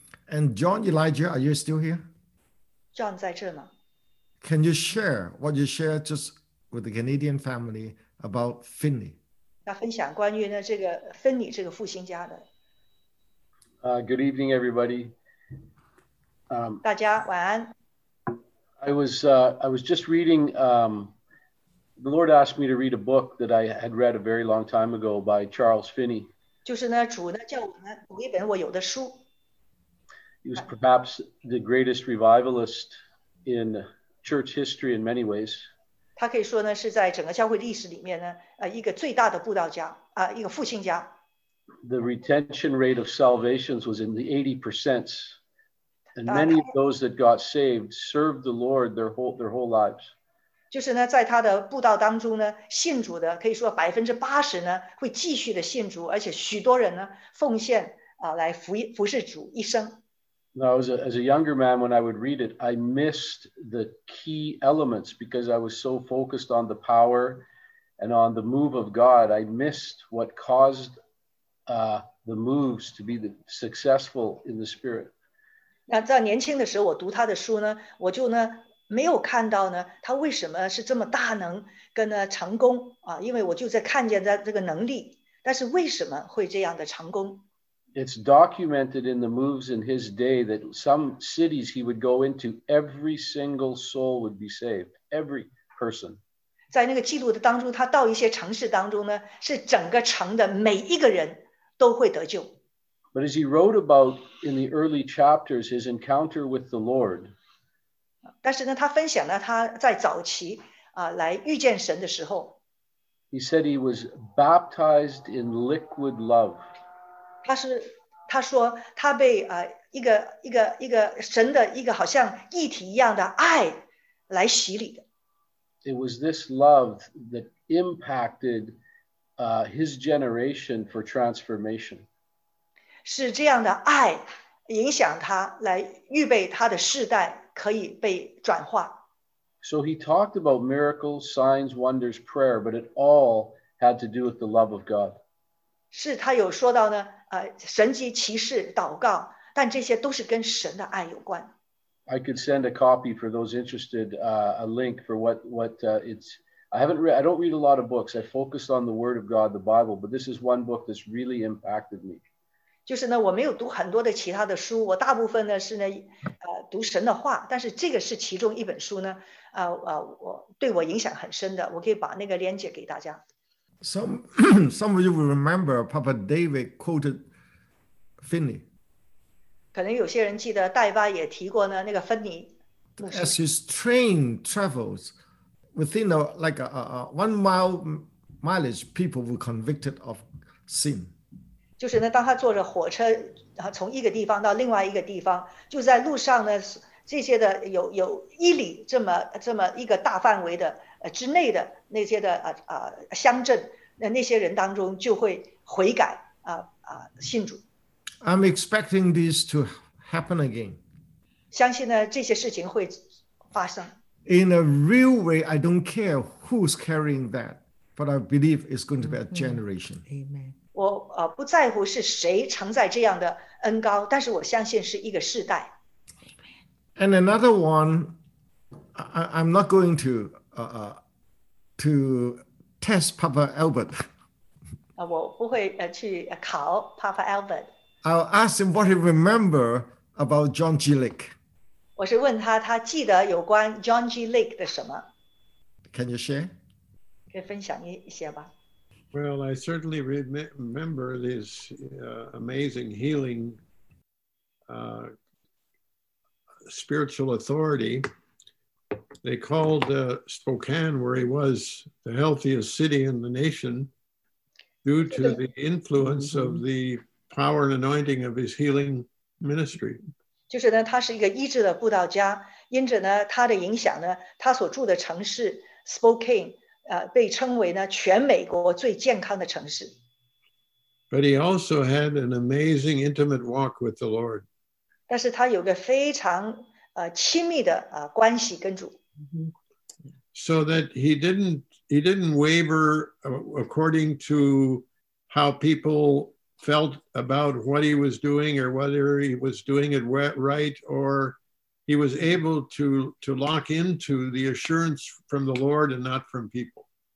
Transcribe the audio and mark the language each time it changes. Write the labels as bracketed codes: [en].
[en] And John, Elijah, are you still here? [zh] John 在这吗？ [en] Can you share what you shared just with the Canadian family about Finney? [zh] 要分享关于呢这个芬尼这个复兴家的。 [en] Good evening, everybody. [zh] 大家晚安。 [en] I was just reading. The Lord asked me to read a book that I had read a very long time ago by Charles Finney. [zh] 就是呢，主呢叫我们读一本我有的书。 [en] He was perhaps the greatest revivalist in church history in many ways. [zh] 他可以说呢，是在整个教会历史里面呢，一个最大的布道家，一个复兴家。 [en] The retention rate of salvations was in the 80%, and many of those that got saved served the Lord their whole lives. [zh] 就是呢，在他的布道当中呢，信主的可以说80%呢会继续的信主，而且许多人呢奉献来服侍主一生。 [en] Now, as a younger man, when I would read it, I missed the key elements because I was so focused on the power and on the move of God. I missed what caused the moves to be successful in the Spirit. [zh] 那在年轻的时候，我读他的书呢，我就呢没有看到呢他为什么是这么大能跟呢成功啊，因为我就在看见他这个能力，但是为什么会这样的成功？ [en] It's documented in the moves in his day that some cities he would go into, every single soul would be saved, every person. [zh] 在那个记录的当中，他到一些城市当中呢，是整个城的每一个人都会得救。 [en] But as he wrote about in the early chapters, his encounter with the Lord. [zh] 但是呢，他分享了他在早期啊来遇见神的时候。 [en] He said he was baptized in liquid love. [zh] 他说他被一个神的一个好像液体一样的爱来洗礼的。 [en] It was this love that impacted his generation for transformation. [zh] 是这样的爱影响他来预备他的世代可以被转化。 [en] So he talked about miracles, signs, wonders, prayer, but it all had to do with the love of God. [zh] 是他有说到呢，神迹奇事祷告，但这些都是跟神的爱有关。 [en] I could send a copy for those interested, a link for what it's. I don't read a lot of books. I focused on the Word of God, the Bible. But this is one book that's really impacted me. [zh] 就是呢，我没有读很多的其他的书，我大部分呢是呢，读神的话。但是这个是其中一本书呢，我对我影响很深的。我可以把那个链接给大家。 [en] Some of you will remember Papa David quoted Finney. [zh] 可能有些人记得戴巴也提过呢那个芬尼。 [en] as his train travels within a 1 mile mileage, people were convicted of sin. [zh] 就是呢，当他坐着火车，然后从一个地方到另外一个地方，就在路上呢，这些的有一里这么一个大范围的之内的那些的乡镇，那些人当中就会悔改信主。 [en] I'm expecting this to happen again. [zh] 相信呢这些事情会发生。 [en] In a real way, I don't care who's carrying that, but I believe it's going to be a generation. Mm-hmm. Amen. [zh] 我不在乎是谁承载这样的恩膏，但是我相信是一个世代。 [en] And another one, I'm not going to test Papa Albert. [zh] 我不会去考 Papa Albert. [en] I'll ask him what he remember about John G. Lake. [zh] 我是问他记得有关 John G. Lake 的什么。 [en] Can you share? [zh] 可以分享一些吧。 [en] Well, I certainly remember this amazing healing spiritual authority. They called Spokane, where he was, the healthiest city in the nation due to the influence of the power and anointing of his healing ministry. [zh] 就是呢，他是一个医治的布道家，因着呢他的影响呢，他所住的城市 Spokane。被称为呢全美国最健康的城市。 [en] But he also had an amazing intimate walk with the Lord. [zh] 但是他有个非常亲密的关系跟主。 [en] So that he didn't waver according to how people felt about what he was doing or whether he was doing it right or. He was able to lock into the assurance from the Lord and not from people.